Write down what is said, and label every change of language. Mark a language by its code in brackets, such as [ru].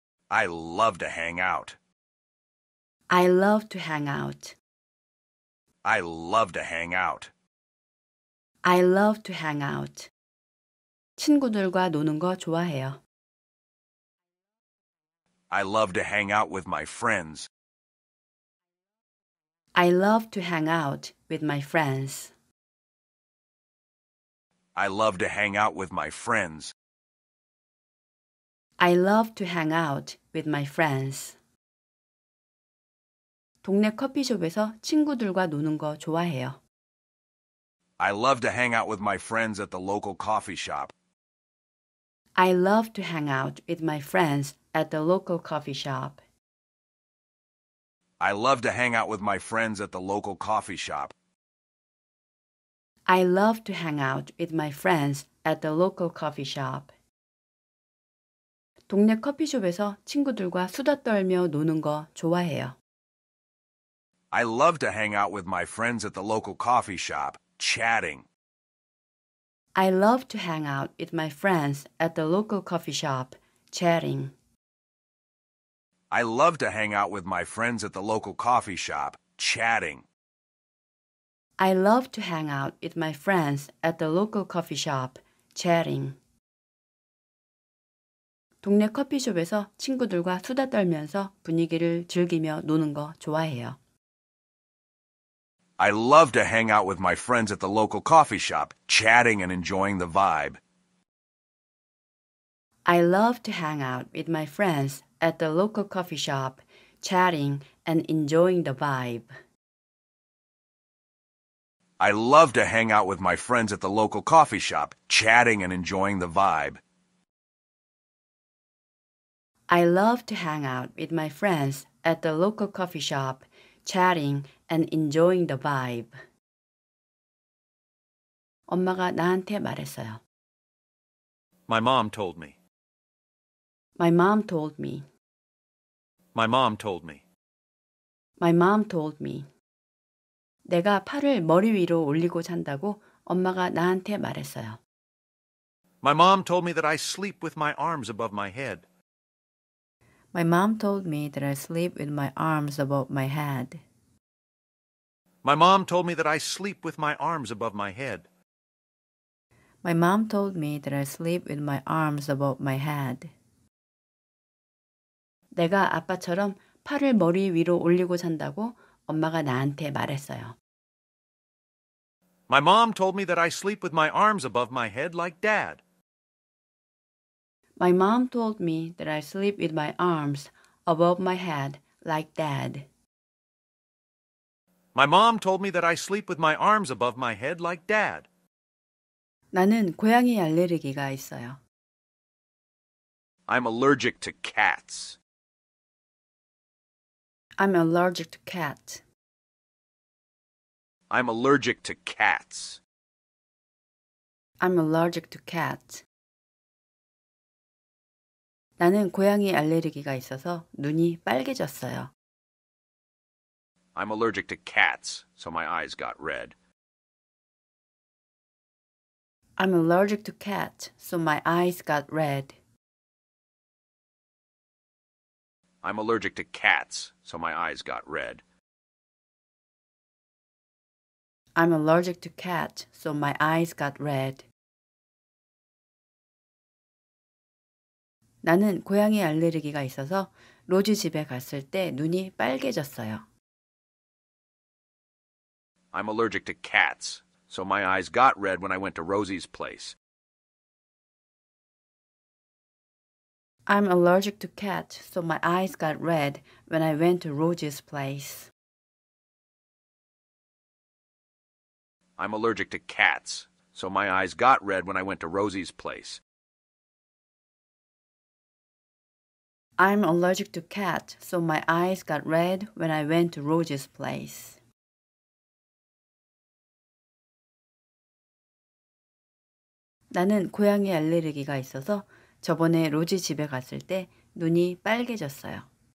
[en] I love to hang out. I love to hang out. I love to hang out. I love to hang out. [ko] 친구들과 노는 거 좋아해요. [en] I love to hang out with my friends. I love to hang out with my friends. I love to hang out with my friends. I love to hang out with my friends. [ko] 동네 커피숍에서 친구들과 노는 거 좋아해요. [en] I love to hang out with my friends at the local coffee shop. I love to hang out with my friends at the local coffee shop. I love to hang out with my friends at the local coffee shop. I love to hang out with my friends at the local coffee shop. [ko] 동네 커피숍에서 친구들과 수다 떨며 노는 거 좋아해요. [en] I love to hang out with my friends at the local coffee shop, chatting. I love to hang out with my friends at the local coffee shop, chatting. I love to hang out with my friends at the local coffee shop, chatting. I love to hang out with my friends at the local coffee shop, chatting. [ko] 동네 커피숍에서 친구들과 수다 떨면서 분위기를 즐기며 노는 거 좋아해요. [en] I love to hang out with my friends at the local coffee shop, chatting and enjoying the vibe. I love to hang out with my friends at the local coffee shop, chatting and enjoying the vibe. I love to hang out with my friends at the local coffee shop, chatting and enjoying the vibe. I love to hang out with my friends at the local coffee shop, chatting and enjoying the vibe. [ko] 엄마가 나한테 말했어요. [en] My mom told me. My mom told me. My mom told me. My mom told me. [ko] 내가 팔을 머리 위로 올리고 잔다고 엄마가 나한테 말했어요. [en] My mom told me that I sleep with my arms above my head. My mom told me that I sleep with my arms above my head. My mom told me that I sleep with my arms above my head. My mom told me that I sleep with my arms above my head. [ko] 내가 아빠처럼 팔을 머리 위로 올리고 잔다고 엄마가 나한테 말했어요. [en] My mom told me that I sleep with my arms above my head like dad. My mom told me that I sleep with my arms above my head like dad. My mom told me that I sleep with my arms above my head like dad. [ko] 나는 고양이 알레르기가 있어요. [en] I'm allergic to cats. I'm allergic to cats. I'm allergic to cats. I'm allergic to cats. [ko] 나는 고양이 알레르기가 있어서 눈이 빨개졌어요. [en] I'm allergic to cats, so my eyes got red. I'm allergic to cats, so my eyes got red. I'm allergic to cats, so my eyes got red. I'm allergic to cats, so my eyes got red. [ko] 나는 고양이 알레르기가 있어서 로지 집에 갔을 때 눈이 빨개졌어요. [en] I'm allergic to cats, so my eyes got red when I went to Rosie's place. I'm allergic to cats, so my eyes got red when I went to Rosie's place. I'm allergic to cats, so my eyes got red when I went to Rosie's place. I'm allergic to cats, so my eyes got red when I went to Rosie's place. [ko] 나는 고양이 알레르기가 있어서 저번에 로지 집에 갔을 때 눈이 빨개졌어요.